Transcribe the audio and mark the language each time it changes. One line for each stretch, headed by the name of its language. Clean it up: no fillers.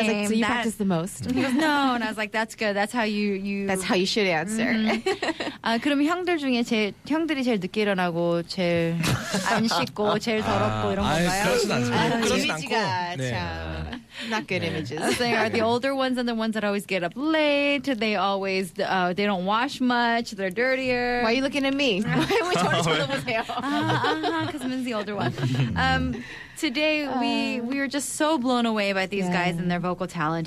English: I was like, so you practice the most. He goes, no, and I was like, that's good. That's how you. That's how you should answer. Mm-hmm.
Korean: 그럼 형들 중에 형들이 제일 늦게 일어나고 제일 안 씻고 제일 더럽고 이런 건가요? 그렇진 않습니다. 그렇진 않고. 네.
English: Not good
Korean: 네.
English: images. So they are the older ones and the ones that always get up late. They always, they don't wash much. They're dirtier. Why are you looking at me? Why are we talking to them? Because Min's the older one. Today, we are just so blown away by these guys and their vocal talent.